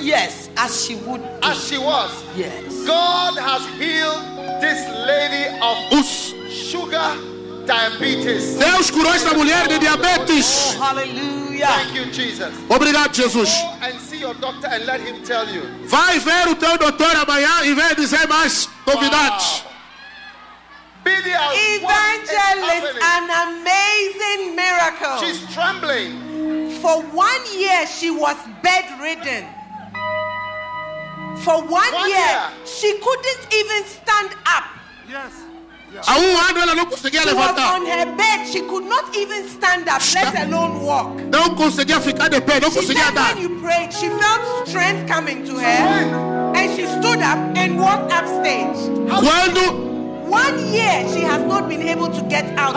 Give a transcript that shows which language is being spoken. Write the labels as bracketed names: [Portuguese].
[English] Yes, as she would. As she was. Yes. God has healed this lady of sugar diabetes. [Portuguese] Deus curou esta mulher de diabetes. [English] Oh, hallelujah. Yeah. Thank you, Jesus. [Portuguese] Obrigado, Jesus. [English] Go and see your doctor and let him tell you. [Portuguese] Vai ver o teu doutor amanhã e vem dizer mais novidades. Bidia, [English] Evangelist, an amazing miracle. She's trembling. For 1 year, she was bedridden. For one year, she couldn't even stand up. Yes. She was on her bed. She could not even stand up, let alone walk. [Portuguese] Não conseguia ficar de pé, não conseguia andar. [English] When you prayed, she felt strength coming to her, and she stood up and walked upstage. [Portuguese] Quando? [English] 1 year she has not been able to get out.